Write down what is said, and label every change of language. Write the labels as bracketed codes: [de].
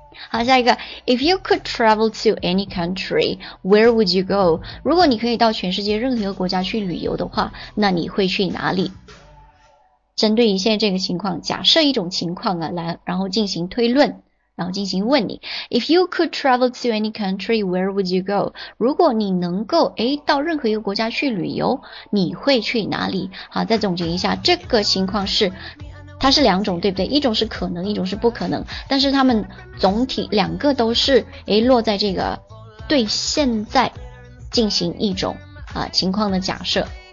[zh] 好，下一个 [en] If you could travel to any country, where would you go， [zh] 如果你可以到全世界任何一个国家去旅游的话，那你会去哪里？针对于现在这个情况，假设一种情况啊，来，然后进行推论，然后进行问你。 [en] If you could travel to any country, where would you go? [zh] 如果你能够到任何一个国家去旅游，你会去哪里？好，再总结一下，这个情况是，它是两种，对不对？一种是可能，一种是不可能，但是它们总体两个都是落在这个对现在进行一种情况的假设。